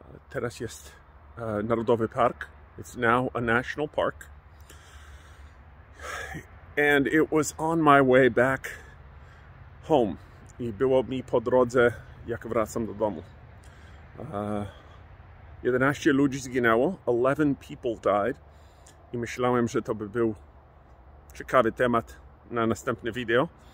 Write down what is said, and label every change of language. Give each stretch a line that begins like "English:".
Polish: Teraz jest Narodowy Park.
English: It's now a national park. And it was on my way back home.
Polish: I było mi po drodze, jak wracam do domu. 11 ludzi zginęło,
English: 11 people died.
Polish: I myślałem, że to by był ciekawy temat na następne wideo.